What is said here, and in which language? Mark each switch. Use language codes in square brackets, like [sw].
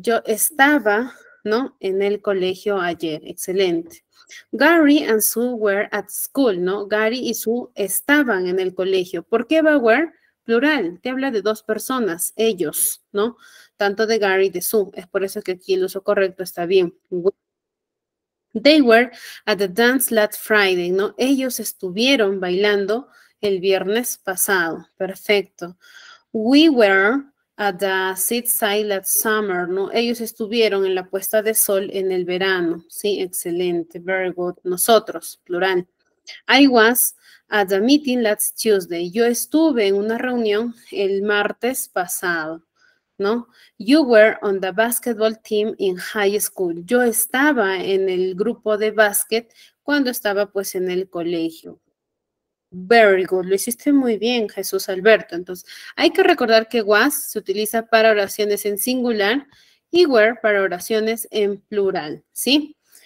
[es] Yo estaba, ¿no?, en el colegio ayer. Excelente. [en] Gary and Sue were at school, [es] ¿no? Gary y Sue estaban en el colegio. ¿Por qué va were? Plural. Te habla de dos personas, ellos, ¿no? Tanto de Gary, de Sue. Es por eso que aquí el uso correcto está bien. [en] They were at the dance last Friday, [es] ¿no? Ellos estuvieron bailando el viernes pasado. Perfecto. [en] We were at the seaside last summer, ¿no? [es] Ellos estuvieron en la puesta de sol en el verano. Sí, excelente. [en] Very good. [es] Nosotros, plural. [en] I was at the meeting last Tuesday. [es] Yo estuve en una reunión el martes pasado. ¿No? [en] You were on the basketball team in high school. [es] Yo estaba en el grupo de básquet cuando estaba, pues, en el colegio. [en] Very good. [es] Lo hiciste muy bien, Jesús Alberto. Entonces, hay que recordar que was se utiliza para oraciones en singular y were para oraciones en plural, ¿sí?